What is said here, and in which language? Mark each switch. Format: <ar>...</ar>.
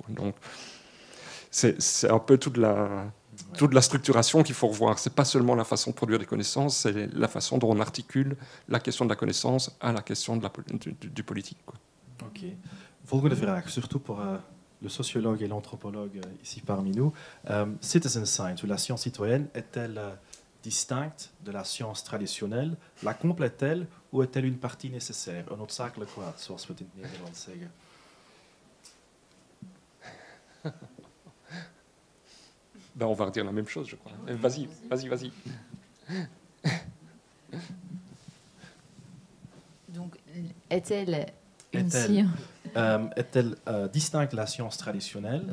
<fr>Donc, c'est un peu toute la structuration qu'il faut revoir. Ce n'est pas seulement la façon de produire des connaissances, c'est la façon dont on articule la question de la connaissance à la question de du politique. Ok.</fr> <nl>Volgende vraag,</nl> <fr>surtout pour le sociologue et l'anthropologue ici parmi nous. Citizen science, ou la science citoyenne, est-elle distincte de la science traditionnelle? La complète-t-elle ou est-elle une partie nécessaire? Un obstacle quoi,</fr> <nl>zoals we het in Nederland zeggen.</nl> <fr>Ben on va redire la même chose, je crois. Vas-y, vas-y, vas-y. Donc, est-elle distincte de la science traditionnelle?</fr>